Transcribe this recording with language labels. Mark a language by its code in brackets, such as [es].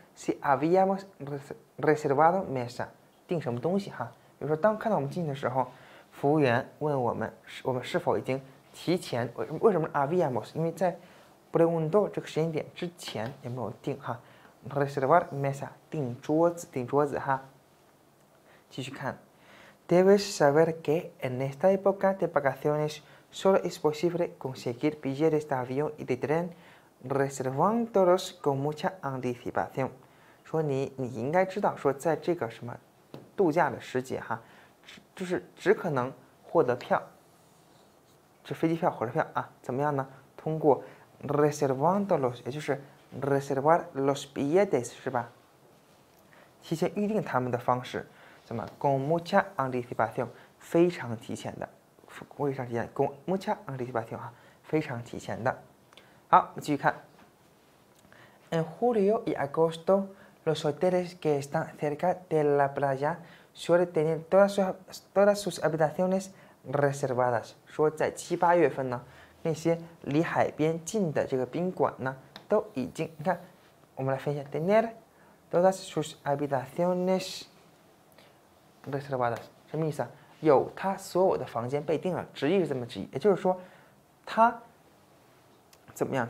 [es] si habíamos reservado mesa， [zh] 订什么东西哈，比如说当看到我们进去的时候，服务员问我们是否已经提前，为什么 habíamos， 因为在 preguntó 这个时间点之前有没有订哈， [es] reservar mesa [zh] 订桌子哈。继续看 [es] debes saber que en esta época de vacaciones solo es posible conseguir billetes de avión y de tren reservándolos con mucha anticipación， [zh] 说你应该知道，说在这个什么度假的时节哈，就是只可能获得票，这飞机票、火车票啊，怎么样呢？通过 reservándolos， 也就是 [es] reservar los billetes [zh] 是吧？提前预定他们的方式，什么 [es] con mucha anticipación [zh] 非常提前的，非常提前 con mucha anticipación 啊，非常提前的。好，继续看。 [es] En julio y agosto, los hoteles que están cerca de la playa suelen tener todas sus habitaciones reservadas。 [zh] 说在七八月份呢，那些离海边近的这个宾馆呢，都已经，你看，我们来分析 [es] tener todas sus habitaciones reservadas， [zh] 什么意思啊？有他所有的房间被定了，直译是这么直译，也就是说，他怎么样？